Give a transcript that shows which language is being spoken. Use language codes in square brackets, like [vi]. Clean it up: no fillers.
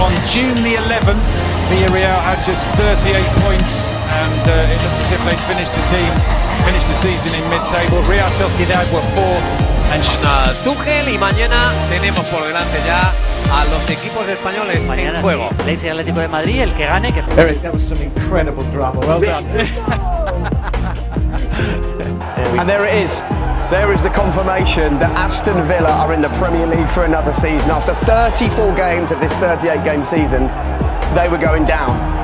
[en] June the 11th, Villarreal had just 38 points and it looks as if they finished the team, finished the season in mid-table. Real Sociedad were fourth and [es] Tuchel y mañana tenemos por delante ya a los equipos españoles mañana en juego. Sí. Leipzig y Atlético de Madrid, el que gane, que... [en] Eric, that was some incredible drama, well done. And there it is. There is the confirmation that Aston Villa are in the Premier League for another season. After 34 games of this 38-game season, they were going down.